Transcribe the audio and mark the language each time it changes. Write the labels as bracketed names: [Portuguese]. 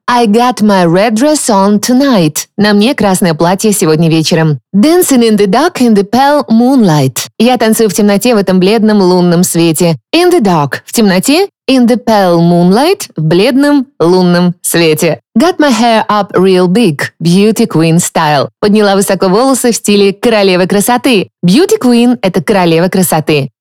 [English] I got my red dress on tonight. [Russian] На мне красное платье сегодня вечером. [English] Dancing in the dark in the pale moonlight. [Russian] Я танцую в темноте в этом бледном лунном свете. [English] In the dark. [Russian] В темноте. [English] In the pale moonlight. [Russian] В бледном лунном свете. [English] Got my hair up real big. Beauty queen style. [Russian] Подняла высоко волосы в стиле королевы красоты. Beauty queen – это королева красоты.